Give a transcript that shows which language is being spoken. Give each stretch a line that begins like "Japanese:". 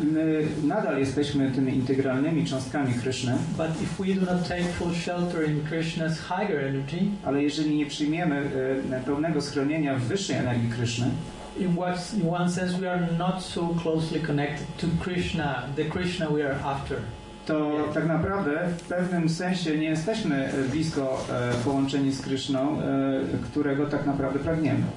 Polish: My nadal jesteśmy tymi integralnymi cząstkami Krishna.
English: But if we do not take full shelter in Krishna's higher energy,
Polish: ale jeżeli nie przyjmiemy pełnego schronienia w wyższej energii Krishna,
English: in one sense we are not so closely connected to Krishna, the Krishna we are after.
Polish: To tak naprawdę w pewnym sensie nie jesteśmy blisko połączeni z Krishną, którego tak naprawdę pragniemy.